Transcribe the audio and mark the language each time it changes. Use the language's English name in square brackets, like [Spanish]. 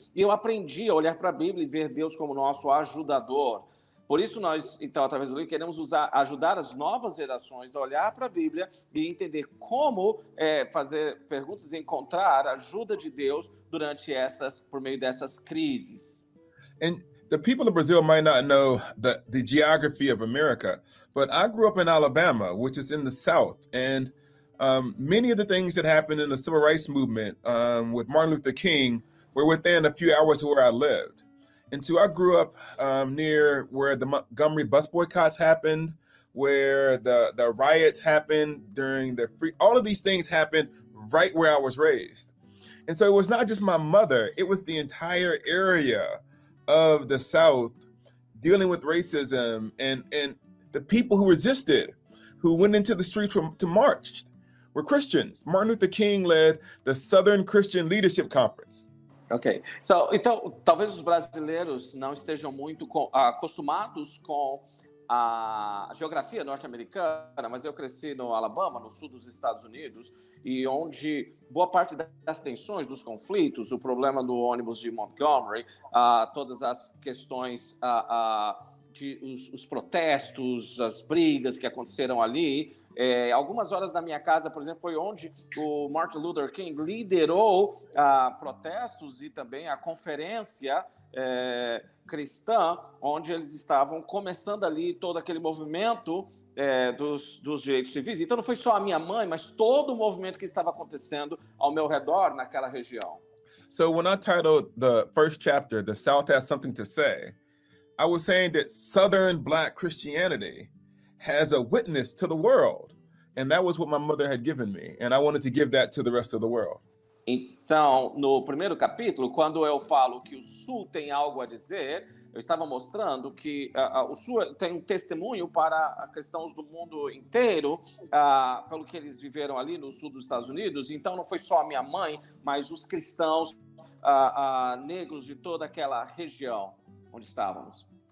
[Portuguese] E eu aprendi a olhar para a Bíblia e ver Deus como nosso ajudador. Por isso nós, então, através do livro, queremos ajudar as novas gerações a olhar para a Bíblia e entender como fazer perguntas e encontrar a ajuda de Deus durante essas, por meio dessas crises. [English] And the people of Brazil might not know the geography of America, but I grew up in Alabama, which is in the South, and many of the things that happened in the Civil Rights Movement with Martin Luther King were within a few hours of where I lived. And so I grew up near where the Montgomery bus boycotts happened, where the riots happened during the free, all of these things happened right where I was raised. And so it was not just my mother, it was the entire area of the South dealing with racism and the people who resisted, who went into the streets to march, were Christians. Martin Luther King led the Southern Christian Leadership Conference. [Portuguese] Ok, então talvez os brasileiros não estejam muito acostumados com a geografia norte-americana, mas eu cresci no Alabama, no sul dos Estados Unidos, e onde boa parte das tensões, dos conflitos, o problema do ônibus de Montgomery, todas as questões, os protestos, as brigas que aconteceram ali, algumas horas da minha casa, por exemplo, foi onde o Martin Luther King liderou protestos e também a conferência cristã, onde eles estavam começando ali todo aquele movimento dos direitos civis. Então, não foi só a minha mãe, mas todo o movimento que estava acontecendo ao meu redor naquela região. [English] So, when I titled the first chapter, The South Has Something to Say, I was saying that Southern Black Christianity has a witness to the world, and that was what my mother had given me, and I wanted to give that to the rest of the world. [Portuguese] Então, no primeiro capítulo, quando eu falo que o Sul tem algo a dizer, eu estava mostrando que o Sul tem um testemunho para cristãos do mundo inteiro, pelo que eles viveram ali no sul dos Estados Unidos. Então, não foi só a minha mãe, mas os cristãos negros de toda aquela região onde estávamos.